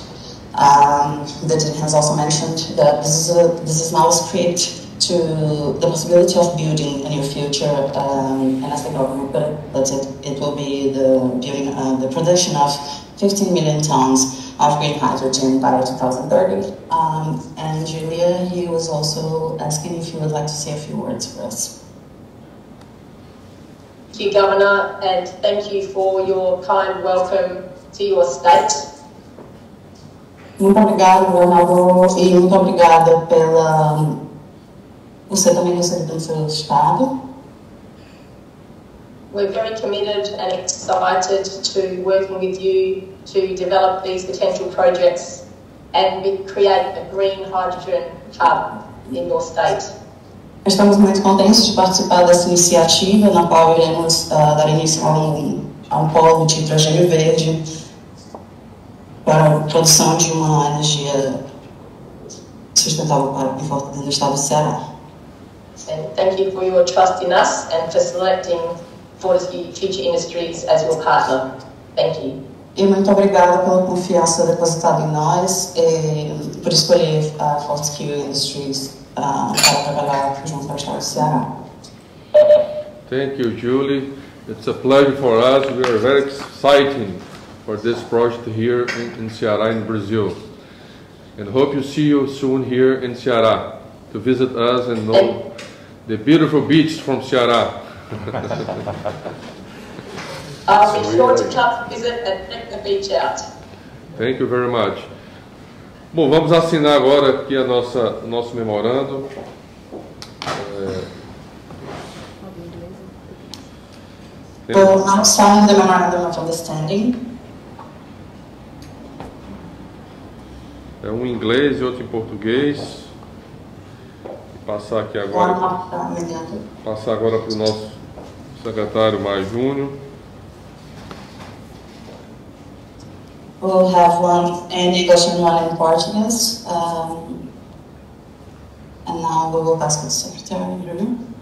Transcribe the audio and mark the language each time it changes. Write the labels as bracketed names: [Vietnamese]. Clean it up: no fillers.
[English] The dean has also mentioned that this is now a script to the possibility of building a new future, and as the government put it, it will be the building the production of 15 million tons of green hydrogen by 2030. And Julia, he was also asking if you would like to say a few words for us. Thank you, Governor, and thank you for your kind welcome to your state. [Portuguese] Muito obrigado, governador, e muito obrigada pela você também recebendo o seu estado. [English] We're very committed and excited to working with you to develop these potential projects and create a green hydrogen hub in your state. [Portuguese] Estamos muito contentes de participar dessa iniciativa na qual iremos dar início a um polo de hidrogênio verde para a produção de uma energia sustentável para em volta do estado do Ceará. [English] And thank you for your trust in us and for selecting Fortescue Future Industries as your partner. Thank you. [Portuguese] E muito obrigada pela confiança depositada em nós e por escolher a Fortescue Industries para trabalhar junto com a Estado do Ceará. [English] Thank you, Julie. It's a pleasure for us. We are very excited for this project here in Ceará, in Brazil. And hope you see you soon here in Ceará to visit us and know the beautiful beach from Ceará. I'll be sure to come visit and check the beach out. Thank you very much. [Portuguese] Bom, vamos assinar agora aqui o nosso memorando. [English] We'll now sign the memorandum of understanding. [Portuguese] É um em inglês e outro em português. Passar agora para o nosso secretário Maia Júnior. [English] We'll have one in English and one in Portuguese. And now we will pass to the secretary.